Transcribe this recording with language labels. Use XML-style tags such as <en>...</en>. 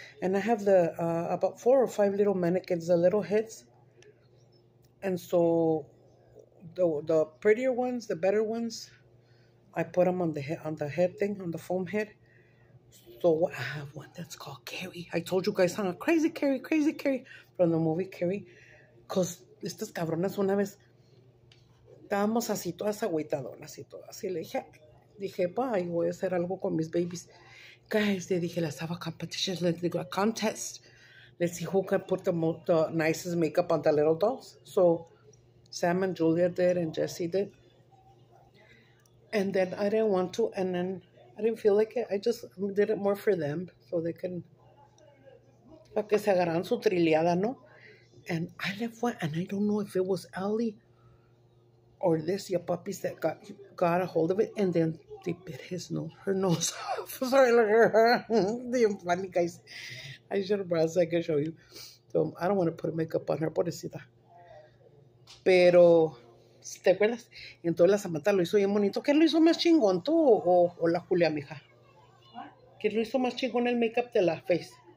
<en>And I have the about 4 or 5 little mannequins, the little heads. And so the prettier ones, the better ones, I put them on the foam head. So I have one that's called Carrie. I told you guys, huh? Crazy Carrie from the movie Carrie.</en> <es>Cause estas cabronas una vez estábamos así todas agüitadonas y todas. Y le dije, bye, voy a hacer algo con mis babies.</es> <en>Guys,</en> <es>le dije,</es> <en>let's have a competition, let's do a contest. Let's see who can put the nicest makeup on the little dolls. So Sam and Julia did, and Jesse did. And then I didn't want to, and then I didn't feel like it. I just did it more for them, so they can.</en> <es>Que se agarran su trillada, ¿no?</es> <en>And I left one, and I don't know if it was Ellie or this, your puppies that got a hold of it, and then they bit his nose, her nose off. Sorry, look at her. The funny guys. I should have brought so I could show you. So I don't want to put makeup on her, pobrecita.</en> <es>Pero, ¿te acuerdas? Entonces la Samantha lo hizo bien bonito. ¿Qué lo hizo más chingón, tú o la Julia, mija? ¿Qué lo hizo más chingón el makeup de la face?</es>